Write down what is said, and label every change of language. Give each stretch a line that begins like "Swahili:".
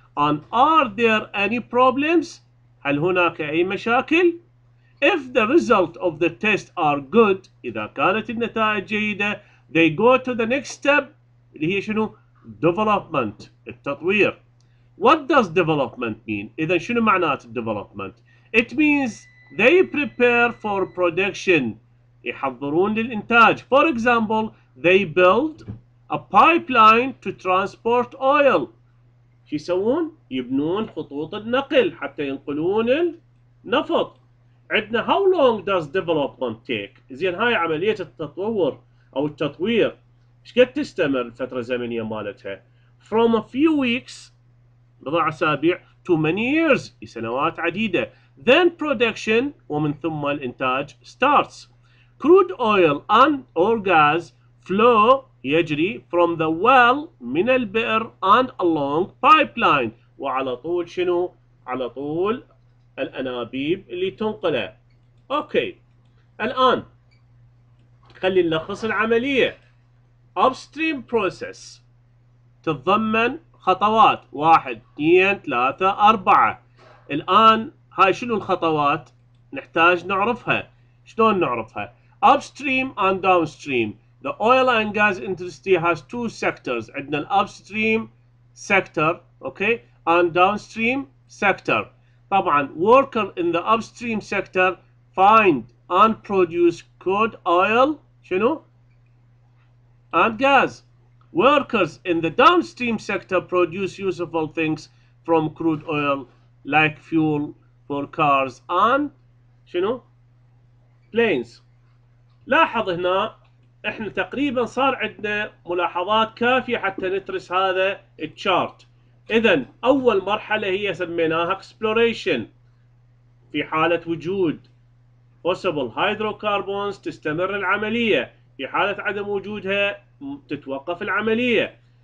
English: ان are there any problems,
Arabic: هل هناك اي مشاكل.
English: If the result of the test are good،
Arabic: إذا كانت النتائج جيدة،
English: they go to the next step،
Arabic: اللي هي شنو؟
English: Development، التطوير. What does development mean؟
Arabic: إذن شنو معنات
English: development؟ It means they prepare for production،
Arabic: يحضرون للإنتاج.
English: For example، they build a pipeline to transport oil.
Arabic: شو يسوون؟ يبنون خطوط النقل حتى ينقلون النفط. عندنا
English: how long does development take؟
Arabic: زين هاي عملية التطور أو التطوير إيش قد تستمر الفترة الزمنية مالتها؟
English: from a few weeks
Arabic: بضع أسابيع
English: to many years
Arabic: لسنوات عديدة.
English: then production
Arabic: ومن ثم الإنتاج
English: starts. crude oil and or gas flow يجري from the well
Arabic: من البئر
English: and along pipeline
Arabic: وعلى طول شنو؟ على طول الأنابيب اللي تنقله. أوكي الآن خلي نلخص العملية. Upstream process تتضمن خطوات 1 2 3 4. الآن هاي شنو الخطوات نحتاج نعرفها؟ شلون نعرفها؟ Upstream and Downstream.
English: The oil and gas industry has two sectors. عندنا Upstream sector okay and Downstream sector. طبعا worker in the upstream sector find and produce crude oil شنو and gas. workers in the downstream sector produce useful things from crude oil like fuel for cars and شنو planes.
Arabic: لاحظ هنا احنا تقريبا صار عندنا ملاحظات كافية حتى ندرس هذا الشارت. إذن أول مرحلة هي سميناها exploration في حالة وجود possible hydrocarbons تستمر العملية، في حالة عدم وجودها تتوقف العملية.